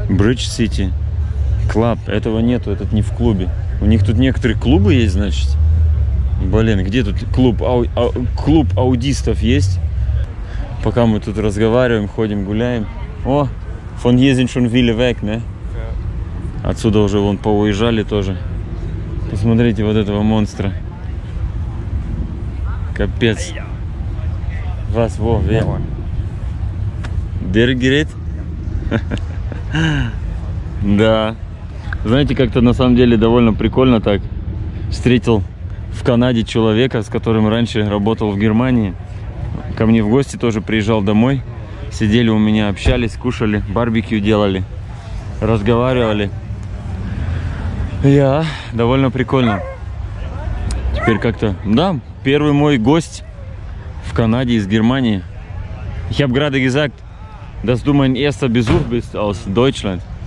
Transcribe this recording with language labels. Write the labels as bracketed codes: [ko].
[ru] Bridge City. Клуб. Этого нету, этот не в клубе. У них тут некоторые клубы есть, значит. Блин, где тут клуб? Клуб аудистов есть? Пока мы тут разговариваем, ходим, гуляем. [de] О, von hier sind schon viele weg, ne? [ru] Отсюда уже вон поуезжали тоже. Посмотрите вот этого монстра. Капец. Вас, во, вер. Дергерит? Да. Знаете, как-то на самом деле довольно прикольно так. Встретил в Канаде человека, с которым раньше работал в Германии. Ко мне в гости тоже приезжал домой. Сидели у меня, общались, кушали, барбекю делали. Разговаривали. Я, довольно прикольно. Теперь как-то, да, первый мой гость в Канаде из Германии. [de] Ich habe gerade gesagt, dass du mein erster Besuch bist aus Deutschland.